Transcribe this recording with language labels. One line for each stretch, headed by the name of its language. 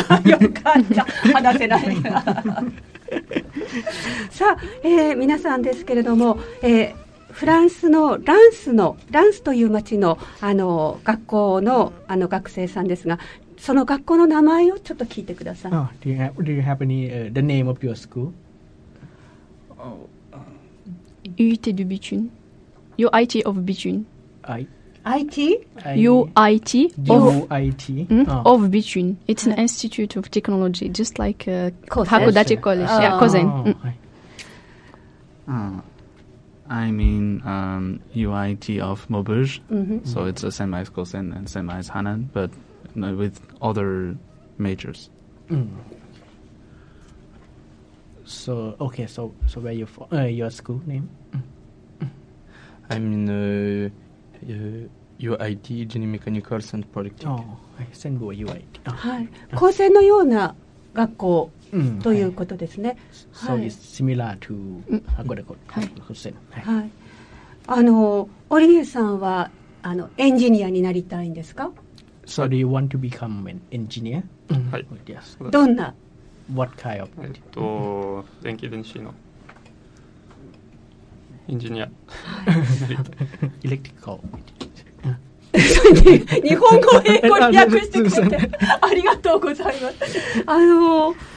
Japanese: よかった、話せない。さあ、皆さんですけれども。フランスのランスのランスという町の、学校の、学生さんですが、その学校の名前をちょっと聞いてください。
English: Oh, do you have any, the name of your school? UIT de Bichun. UIT of Bichun. UIT? UIT of Bichun. It's an institute of technology, just like Hakodate College. Yeah, Kozen. I mean UIT of Maubeuge, mm-hmm. So it's a semi Kosen and semi Hanan, but with other majors. Mm. So where you from? Your school name? I'm in UIT, Génie Mécanique and Productique. Oh, I send go UIT.
Japanese: はい、Kosen のような学校ということですね。
English: So it's similar to Hakodate College.
Japanese: はい。オリビエさんはエンジニアになりたいんですか？
English: So do you want to become an engineer?
Japanese: はい。
English: Yes.
Japanese: どんな？
English: What kind of?
Japanese: 電気電子のエンジニア。
English: Electrical.
Japanese: 日本語英語に訳してくれてありがとうございます。